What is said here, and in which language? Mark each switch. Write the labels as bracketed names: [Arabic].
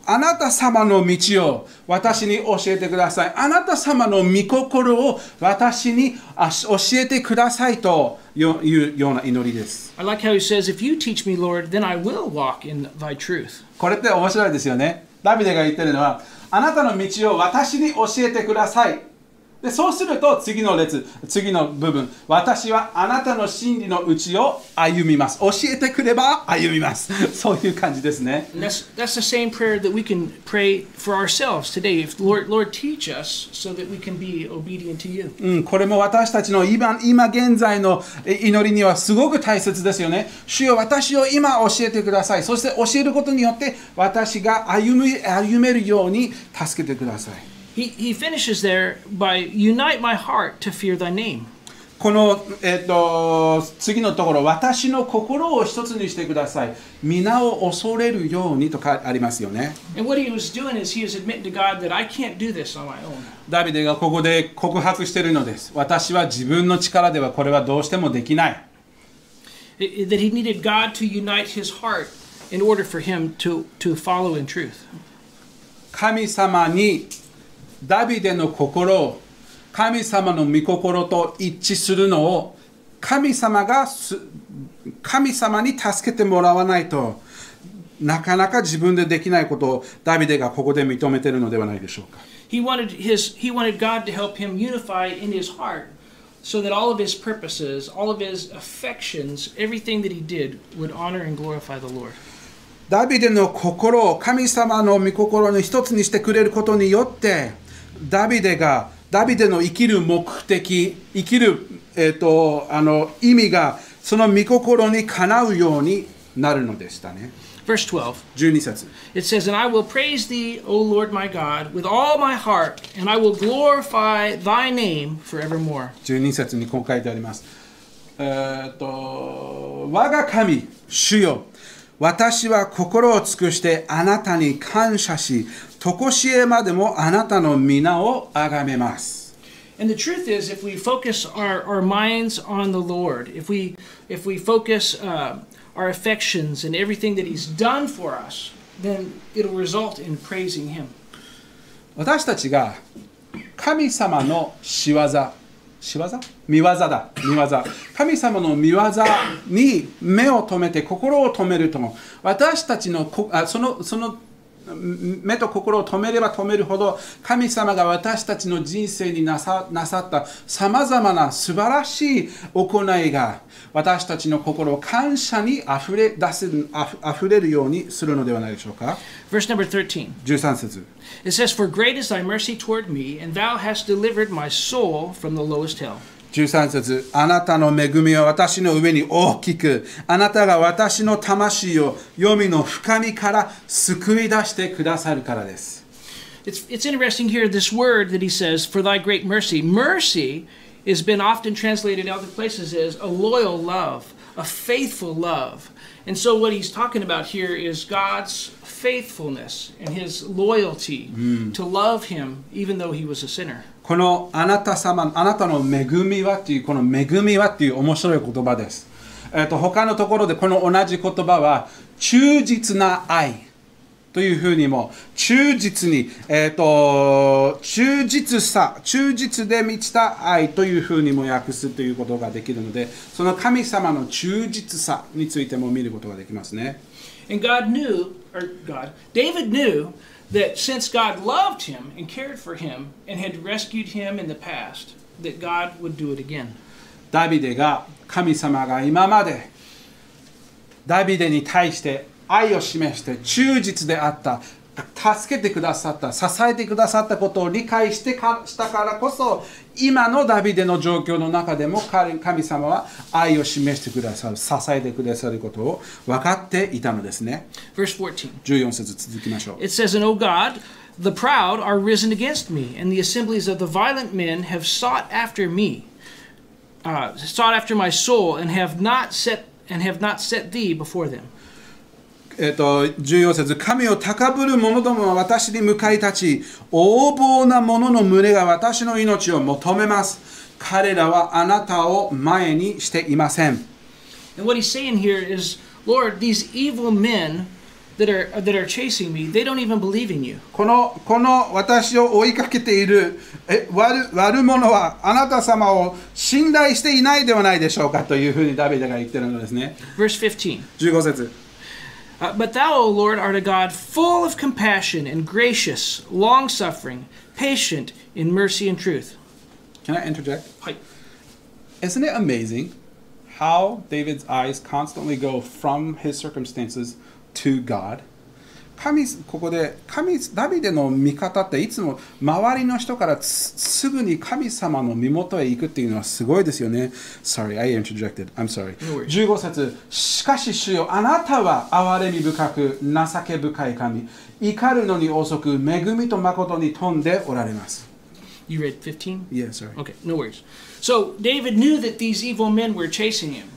[Japanese] あなた様の道を私に教えてください、あなた様の御心を私に教えてくださいというような祈りです。 [English] I like how he says, if you teach me, Lord, then I will walk in thy truth. [Japanese] これって面白いですよね。ダビデが言ってるのは、あなたの道を私に教えてください。でそうすると次の列、次の部分、私はあなたの真理の内を歩みます、教えてくれば歩みますそういう感じですね。 [English] That's the same prayer that we can pray for ourselves today. If Lord teach us so that we can be obedient to you. [Japanese] これも私たちの 今現在の祈りにはすごく大切ですよね。主よ、私を今教えてください。そして教えることによって私が歩めるように助けてください。 [English] He finishes there by unite my heart to fear thy name. [Japanese] この次のところ、私の心を一つにしてください。皆を恐れるようにとかありますよね。 [English] And what he was doing is he was admitting to God that I can't do this on my own. [Japanese] ダビデがここで告白しているのです。私は自分の力ではこれはどうしてもできない。 [English] That he needed God to unite his heart in order for him to follow in truth. [Japanese] 神様にダビデの心を神様の御心と一致するのを神様に助けてもらわないとなかなか自分でできないことをダビデがここで認めているのではないでしょうか。 [English] He wanted God to help him unify in his heart so that all of his purposes, all of his affections, everything that he did would honor and glorify the Lord. [Japanese] ダビデの心を神様の御心の一つにしてくれることによって。ダビデの生きる目的、生きる、意味がその御心にかなうようになるのでしたね。 [English] Verse 12 [Japanese] 節。 [English] It says, And I will praise thee, O Lord my God, with all my heart, and I will glorify thy name forevermore. [Japanese] 12節にこう書いてあります。我が神、主よ、私は心を尽くしてあなたに感謝し、常しえまでもあなたの御名をあがめます。 [English] And the truth is, if we focus our minds on the Lord, if we focus our affections and everything that He's done for us, then it'll result in praising Him. [Japanese] 私たちが神様の仕業、仕業？見業だ、見業。神様の見業に目を止めて心を止めると、私たちのその目と心を止めれば止めるほど神様が私たちの人生になさったさまざまな素晴らしい行いが私たちの心を感謝にあふれるようにするのではないでしょうか。 [English] Verse number 13. [Japanese] 13節。 [English] It says, For great is thy mercy toward me, and thou hast delivered my soul from the lowest hell. [Japanese] 13節、あなたの恵みは私の上に大きく、あなたが私の魂を黄泉の深みから救い出してくださるからです。 [English] It's interesting here, this word that he says, for thy great mercy. Mercy has been often translated in other places as a loyal love, a faithful love. And so what he's talking about here is God's faithfulness and his loyalty to love him even though he was a sinner. [Japanese] このあなた様、あなたの恵みはっていう、この恵みはっていう面白い言葉です。他のところでこの同じ言葉は、忠実な愛というふうにも、忠実に、忠実さ、忠実で満ちた愛というふうにも訳すということができるので、その神様の忠実さについても見ることができますね。 [English] And God knew, or God, David knew,That since God loved him and cared for him and had rescued him in the past, that God would do it again. [Japanese] ダビデが、神様が今までダビデに対して愛を示して忠実であった、助けてくださった、支えてくださったことを理解してかしたからこそ、今のダビデの状況の中でも神様は愛を示してくださる、支えてくださることを分かっていたのですね。 [English] Verse 14. [Japanese] 14節続きましょう。 [English] It says, And O God, the proud are risen against me, and the assemblies of the violent men have sought after me, sought after my soul, and have not set thee before them. [Japanese] 14節、神を高ぶる者どもは私に向かい立ち、横暴な者の群れが私の命を求めます。彼らはあなたを前にしていません。 [English] And what he's saying here is, Lord, these evil men that are chasing me, they don't even believe in you. [Japanese] この私を追いかけている悪者はあなた様を信頼していないではないでしょうかというふうにダビデが言ってるのですね。 [English] Verse 15. 15 [Japanese] 節。 [English] But thou, O Lord, art a God full of compassion and gracious, long-suffering, patient in mercy and truth. Can I interject? Hi. Isn't it amazing how David's eyes constantly go from his circumstances to God? [Japanese] ここで神ダビデの見方っていつも周りの人からすぐに神様の身元へ行くっていうのはすごいですよね。 [English] Sorry, I interjected. I'm sorry. [Japanese] 15節、しかし主よ、あなたは憐れみ深く情け深い神、怒るのに遅く恵みと誠に富んでおられます。 [English] You read 15? Yeah, sorry. Okay, no worries. So David knew that these evil men were chasing him.